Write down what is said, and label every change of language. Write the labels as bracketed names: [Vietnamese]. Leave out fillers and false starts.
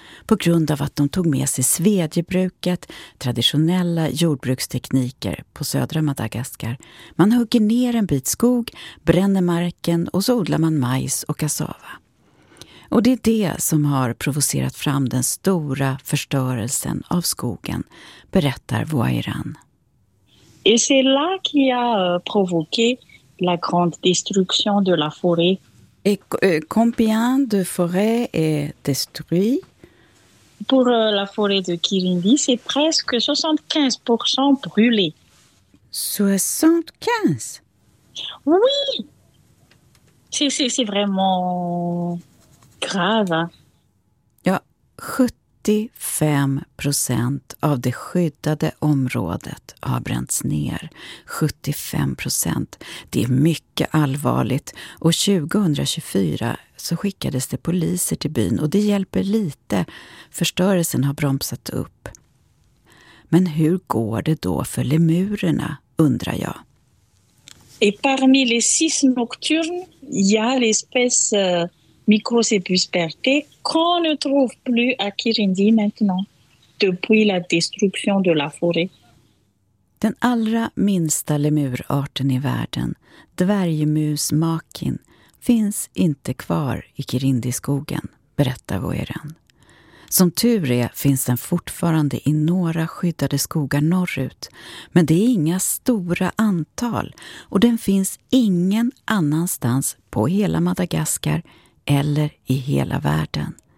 [Swedish] På grund av att de tog med sig svedjebruket, traditionella jordbrukstekniker på södra Madagaskar. Man hugger ner en bit skog, bränner marken och så odlar man majs och kassava. Och det är det som har provocerat fram den stora förstörelsen av skogen, berättar Voiran. [French] Et c'est là qui a provoqué la grande destruction de la forêt. Et combien de forêts est détruite? Pour la forêt de Kirindi, c'est presque 75% brûlé. 75? Oui. C'est vraiment grave. [Swedish] Ja, 75% av det skyddade området har bränts ner. 75%. Det är mycket allvarligt. Och 2024 så skickades det poliser till byn och det hjälper lite. Förstörelsen har bromsat upp. Men hur går det då för lemurerna, undrar jag. [French] Et parmi les six nocturnes, il y a l'espèce Microcepus perte, qu'on ne trouve plus à Kirindi maintenant, depuis la destruction de la forêt. [Swedish] Den allra minsta lemurarten i världen, dvärgmus makin, finns inte kvar i Kirindiskogen, berättar Voiran. Som tur är finns den fortfarande i några skyddade skogar norrut, men det är inga stora antal och den finns ingen annanstans på hela Madagaskar eller i hela världen.